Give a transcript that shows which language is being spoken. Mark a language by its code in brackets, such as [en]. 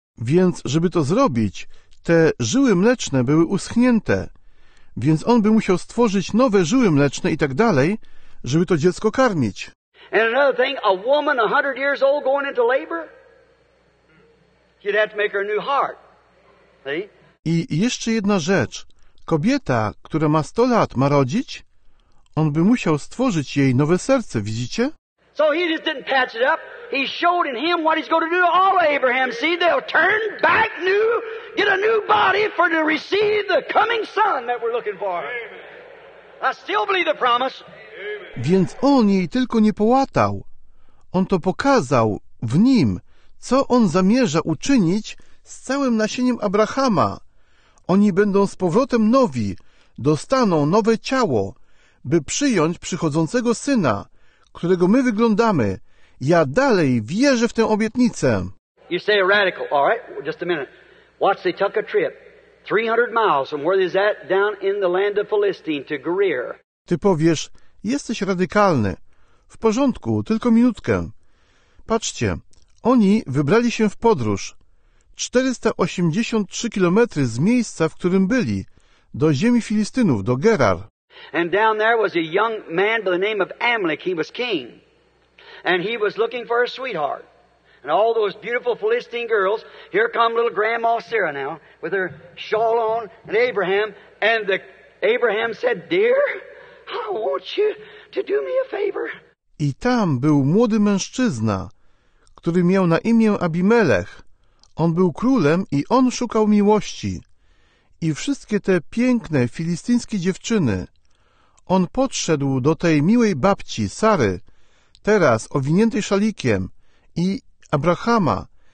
[pl] Więc żeby to zrobić, te żyły mleczne były uschnięte, więc on by musiał stworzyć nowe żyły mleczne i tak dalej, żeby to dziecko karmić. [en] And another thing, a woman 100 years old going into labor, you'd have to make her a new heart. See? [pl] I jeszcze jedna rzecz. Kobieta, która ma 100 lat, ma rodzić? On by musiał stworzyć jej nowe serce, widzicie? [en] So he just didn't patch it up. He showed in him what he's going to do to all of Abraham's seed. They'll turn back new, get a new body for to receive the coming son that we're looking for. Amen. I still believe the promise. Amen. [pl] Więc on jej tylko nie połatał. On to pokazał w nim, co on zamierza uczynić z całym nasieniem Abrahama. Oni będą z powrotem nowi, dostaną nowe ciało, by przyjąć przychodzącego syna, którego my wyglądamy. Ja dalej wierzę w tę obietnicę. [en] You say a radical, all right, just a minute. Watch, they took a trip 300 miles from where they're at down in the land of Philistine to Gerar. [pl] Ty powiesz, jesteś radykalny. W porządku, tylko minutkę. Patrzcie, oni wybrali się w podróż. 483 kilometry z miejsca, w którym byli, do ziemi Filistynów, do Gerar. [en] And down there was a young man by the name of Amalek. He was king. And he was looking for a sweetheart. And all those beautiful Philistine girls, here come little grandma Sarah now, with her shawl on, and Abraham. And the Abraham said, dear, I want you to do me a favor. [pl] I tam był młody mężczyzna, który miał na imię Abimelech. On był królem i on szukał miłości. I wszystkie te piękne filistyńskie dziewczyny. On podszedł do tej miłej babci, Sary, teraz owiniętej szalikiem, i Abrahama.